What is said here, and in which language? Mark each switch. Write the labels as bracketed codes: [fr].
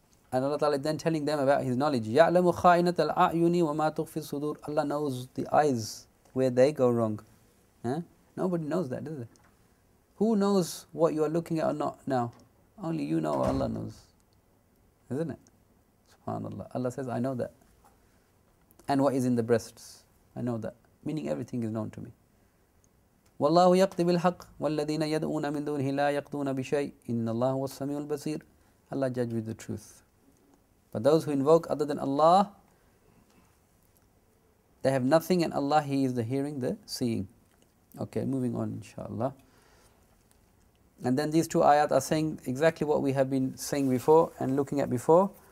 [en] And Allah Ta'ala is then telling them about His knowledge. [ar] يَعْلَمُ خَائِنَةَ الْأَعْيُنِ وَمَا تُخْفِي الصُّدُورِ [en] Allah knows the eyes, where they go wrong. Huh? Nobody knows that, does it? Who knows what you are looking at or not now? Only you know, Allah knows. Isn't it? SubhanAllah. Allah says, I know that. And what is in the breasts? I know that. Meaning everything is known to me. [ar] وَاللَّهُ يَقْضِي بِالْحَقِّ وَالَّذِينَ يَدْعُونَ مِنْ دُونِهِ لَا يَقْضُونَ بِشَيْءٍ إِنَّ اللَّهُ وَالسَّمِيعُ الْبَصِيرُ [en] Allah judge with the truth. But those who invoke other than Allah, they have nothing, and Allah, He is the hearing, the seeing. Okay, moving on, inshallah. And then these two ayat are saying exactly what we have been saying before and looking at before.